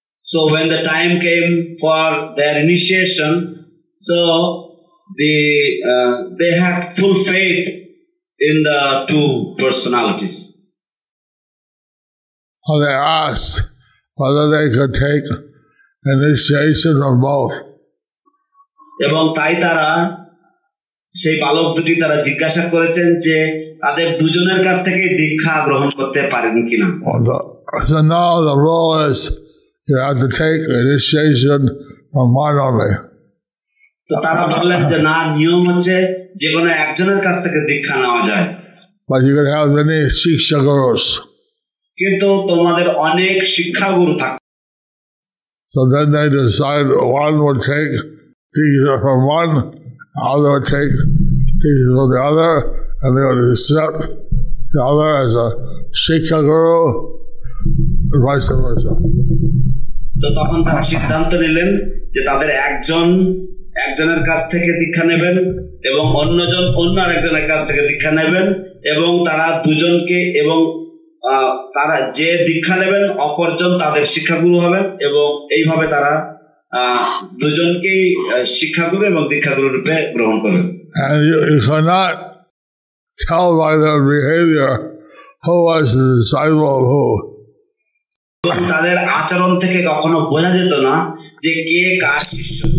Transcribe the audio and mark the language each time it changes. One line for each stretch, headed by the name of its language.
English: So when the time came for their initiation, so they had full faith in the two personalities. So they asked whether they could take initiation from both.
Bangla: এবং তাই তারা সেই বালক দুটি তারা জিজ্ঞাসা করেছেন যে তাদের দুজনের কাছ থেকে দীক্ষা গ্রহণ করতে পারেন কিনা।
English: So now the rule is you have to take initiation from one only.
Bangla: তো তারা বললেন যে না, নিয়ম হচ্ছে যে কোনো একজনের কাছ থেকে দীক্ষা নেওয়া যায়।
English: But you can have many শিক্ষাগুরুস।
Bangla: কিন্তু তোমাদের অনেক শিক্ষাগুরু থাকবে।
English: So then they decide one will take teacher from one, other would take teacher from the other, and they would accept the other as a Shikha Guru, and vice versa.
Bangla: So, তখন তারা সিদ্ধান্ত নিলেন যে তাদের একজন একজনের কাছ থেকে দীক্ষা নেবেন এবং অন্যজন অন্য আরেকজনের কাছ থেকে দীক্ষা নেবেন এবং তারা দুজনকে এবং তারা যে দীক্ষা নেবেন অপরজন তাদের শিক্ষাগুরু হবেন এবং এইভাবে তারা দুজনকেই শিক্ষাগুরু এবং দীক্ষাগুরু রূপে গ্রহণ করেন।
English: And you cannot tell by their behavior who was the disciple of who.
Bangla: তাদের আচরণ থেকে কখনো বোঝা যেত না যে কে কার শিষ্য।